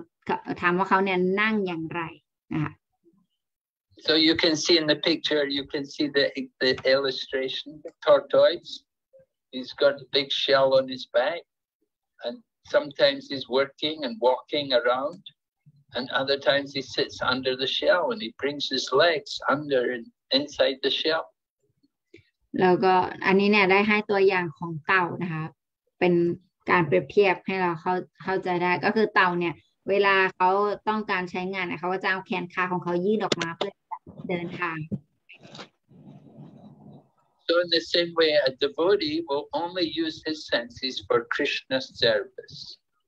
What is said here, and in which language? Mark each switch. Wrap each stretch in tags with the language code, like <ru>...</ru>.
<th>แล้วก็คำถามต่อไปก็ถามว่าแล้วในตอนที่เขาเนี่ยไม่ได้ใช้ประสาทสัมผัสอย่างเช่นถามว่าเขาเนี่ยนั่งอย่างไรนะคะ</th> <en>So you can see in the picture, you can see the illustration, the tortoise. He's got a big shell on his back. And sometimes he's working and walking around. And other times he sits under the shell and he brings his legs under and inside the shell.</en> <th>แล้วก็อันนี้เนี่ยได้ให้ตัวอย่างของเต่านะคะเป็นการเปรียบเทียบให้เราเข้าใจได้ก็คือเต่าเนี่ยเวลาเขาต้องการใช้งานเขาก็จะเอาแขนขาของเขายื่นออกมาเพื่อ</th> <en>So in the same way, a devotee will only use his senses for Krishna's service.</en>